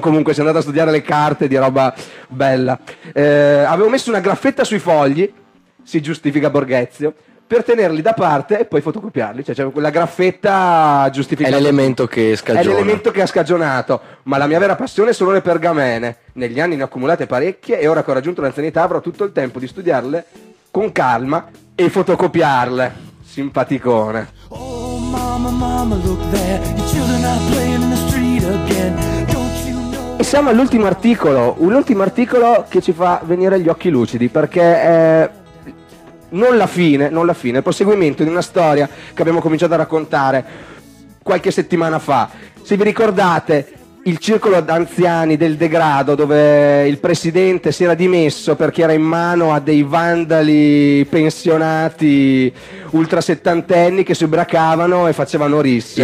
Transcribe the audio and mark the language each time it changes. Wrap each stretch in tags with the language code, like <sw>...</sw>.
<it>Comunque si è andata a studiare le carte, di roba bella. Avevo messo una graffetta sui fogli, si giustifica Borghezio, per tenerli da parte e poi fotocopiarli. Cioè, quella graffetta giustifica. È l'elemento che scagiona. È l'elemento che ha scagionato. Ma la mia vera passione sono le pergamene. Negli anni ne ho accumulate parecchie e ora che ho raggiunto l'anzianità avrò tutto il tempo di studiarle con calma e fotocopiarle. Simpaticone.</it> <en>Oh, mamma, mamma, look there. The children are playing in the street again.</en> <it>E siamo all'ultimo articolo. Un ultimo articolo che ci fa venire gli occhi lucidi, perché è... non la fine, non la fine, il proseguimento di una storia che abbiamo cominciato a raccontare qualche settimana fa. Se vi ricordate il circolo d'anziani del degrado, dove il presidente si era dimesso perché era in mano a dei vandali pensionati ultrasettantenni che si ubriacavano e facevano risse.</it>